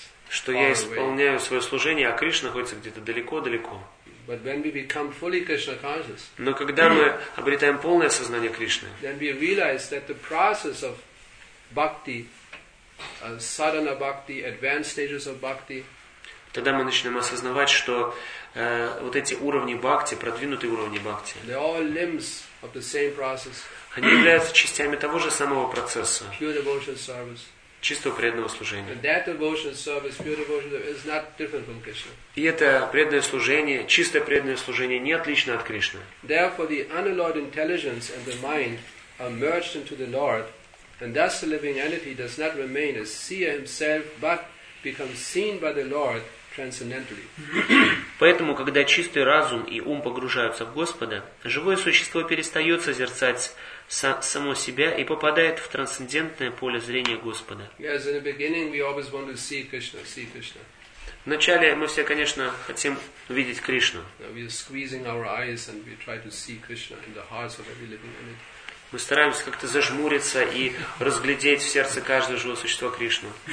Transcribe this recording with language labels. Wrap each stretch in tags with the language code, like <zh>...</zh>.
<ru>Что я исполняю свое служение, а Кришна находится где-то далеко-далеко. Но когда мы обретаем полное сознание Кришны,</ru> <en>then we realize that the process of bhakti, sadhana bhakti, advanced stages of bhakti,</en> <ru>тогда мы начинаем осознавать, что вот эти уровни бхакти, продвинутые уровни бхакти,</ru> <en>they are all limbs of the same process.</en> <ru>Они являются частями того же самого процесса,</ru> <en>pure devotional service.</en> <ru>Чистого преданного служения.</ru> <en>And that devotional service, pure devotional service, is not different from Krishna.</en> <ru>И это преданное служение, чистое преданное служение, не отлично от Кришны.</ru> <en>Therefore, the unalloyed intelligence and the mind are merged into the Lord, and thus the living entity does not remain as seer himself, but become seen by the Lord transcendentally.</en> <ru>Поэтому, когда чистый разум и ум погружаются в Господа, живое существо перестает созерцать само себя и попадает в трансцендентное поле зрения Господа.</ru> <en>Yes, in the beginning we always want to see Krishna, see Krishna.</en> <ru>Вначале мы все, конечно, хотим видеть Кришну.</ru> <en>We are squeezing our eyes and we try to see Krishna in the hearts of every living entity.</en> <ru>Мы стараемся как-то зажмуриться и разглядеть в сердце каждого живого существа Кришну.</ru>